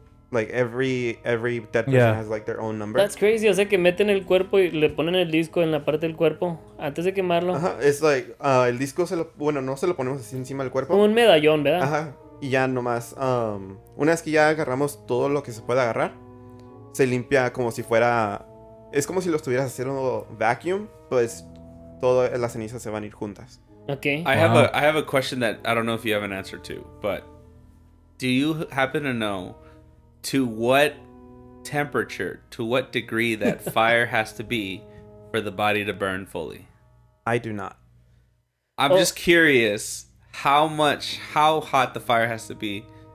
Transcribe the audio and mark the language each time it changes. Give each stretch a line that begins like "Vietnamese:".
English: Like, every dead person has, like, their own number. That's crazy.
Spanish: O sea, que meten el cuerpo y le ponen el disco en la parte del cuerpo antes de quemarlo. Ajá. Es, like, el disco se lo... Bueno, no se lo ponemos así encima del cuerpo. Como un medallón, ¿verdad? Ajá. Y ya nomás... una vez que ya agarramos todo lo que se puede agarrar, se limpia como si fuera... Es como si lo estuvieras haciendo vacuum, pues todas las cenizas se van a ir juntas.
English: Okay. I have a question that I don't know if you have an answer to, but do you happen to know to what temperature, to what degree that fire has to be for the body to burn fully? I do not. I'm just curious how hot the fire has to be.